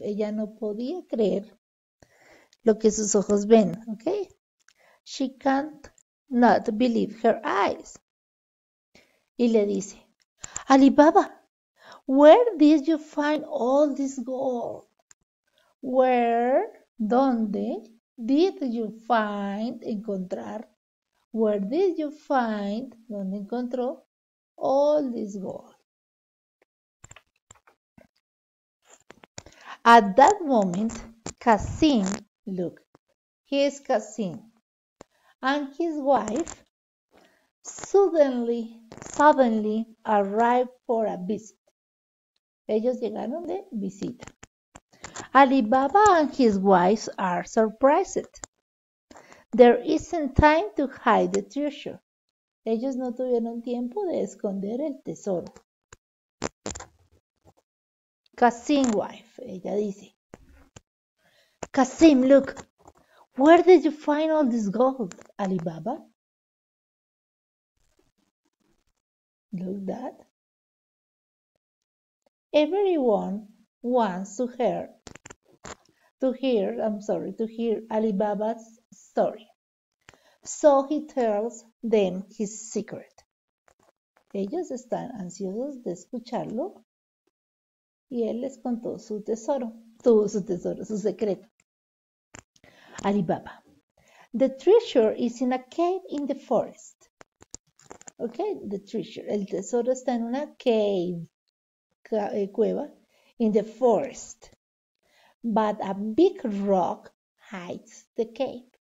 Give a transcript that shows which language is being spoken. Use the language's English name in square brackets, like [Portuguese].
[Spanish] Ella no podía creer lo que sus ojos ven, ¿ok? [English] She can't not believe her eyes. [Spanish] Y le dice, [English] Alibaba, where did you find all this gold? Where, ¿dónde did you find, encontrar? Where did you find, [Spanish] ¿dónde encontró [English] all this gold? At that moment, Kasim, look, he is Kasim, and his wife suddenly arrived for a visit. [Spanish] Ellos llegaron de visita. [English] Alibaba and his wife are surprised. There isn't time to hide the treasure. [Spanish] Ellos no tuvieron tiempo de esconder el tesoro. [English] Kasim wife, [Spanish] ella dice, [English] Kasim, look, where did you find all this gold, Alibaba? Look that. Everyone wants to hear Alibaba's story. So he tells them his secret. [Spanish] Ellos están ansiosos de escucharlo. Y él les contó su tesoro, tuvo su tesoro, su secreto. Alibaba. [English] The treasure is in a cave in the forest. Okay, the treasure. [Spanish] El tesoro está en una cueva [English] in the forest. But a big rock hides the cave.